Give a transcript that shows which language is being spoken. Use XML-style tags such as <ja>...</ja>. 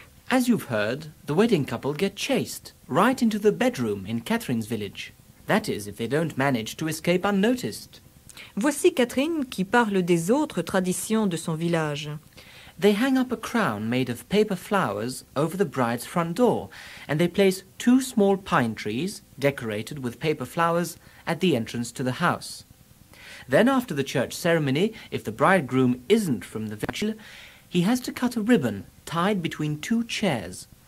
<en>As you've heard, the wedding couple get chased right into the bedroom in Catherine's village. That is, if they don't manage to escape unnoticed.</en> <fr>Voici Catherine qui parle des autres traditions de son village.</fr> <en>They hang up a crown made of paper flowers over the bride's front door, and they place two small pine trees, decorated with paper flowers, at the entrance to the house. Then after the church ceremony, if the bridegroom isn't from the village, he has to cut a ribbon tied between two chairs.</en>